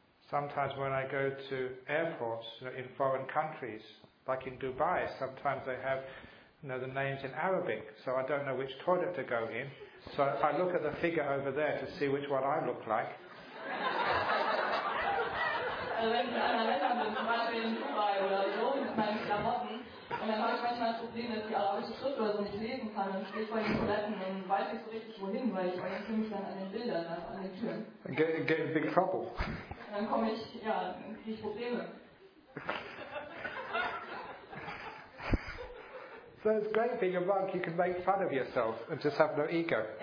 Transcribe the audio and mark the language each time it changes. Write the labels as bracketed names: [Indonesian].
[English] Sometimes when I go to airports, you know, in foreign countries, like in Dubai, sometimes they have, you know, the names in Arabic, so I don't know which toilet to go in. So I look at the figure over there to see which one I look like. [German] Wenn ich in anderen Ländern bin, zum Beispiel in Dubai oder so, mit meinen Klamotten, und dann habe ich manchmal das Problem, dass ich arabische Schrift oder so nicht lesen kann und stehe vor den Toiletten und weiß nicht so richtig wohin, weil ich orientiere mich dann an den Bildern, an den Türen. [English] Get in big trouble. [German] Und dann komme ich, ja, dann kriege ich Probleme. [English] So it's great being a monk, you can make fun of yourself and just have no ego.